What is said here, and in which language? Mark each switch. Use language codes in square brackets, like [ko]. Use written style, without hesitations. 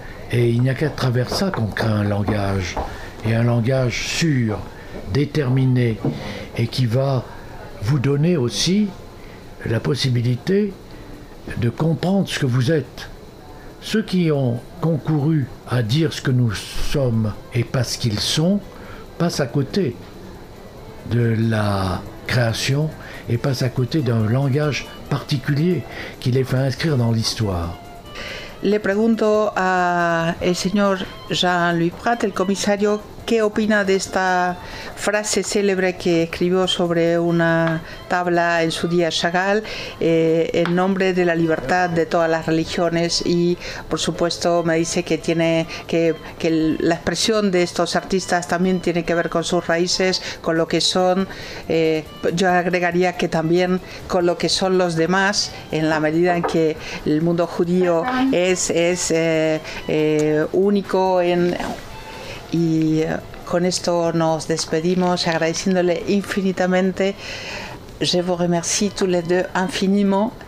[fr] Et il n'y a qu'à travers ça qu'on crée un langage. Et un langage sûr, déterminé, et qui va vous donner aussi la possibilité de comprendre ce que vous êtes. Ceux qui ont concouru à dire ce que nous sommes et pas ce qu'ils sont, passent à côté de la création et passe à côté d'un langage particulier qui les fait inscrire dans l'histoire. [es] Le pregunto al señor Jean-Louis Prat, el comisario, ¿qué opina de esta frase célebre que escribió sobre una tabla en su día Chagall, en nombre de la libertad de todas las religiones? Y, por supuesto, me dice que tiene que la expresión de estos artistas también tiene que ver con sus raíces, con lo que son. Yo agregaría que también con lo que son los demás, en la medida en que el mundo judío es único en... Y con esto nos despedimos agradeciéndole infinitamente. [fr] Je vous remercie tous les deux infiniment.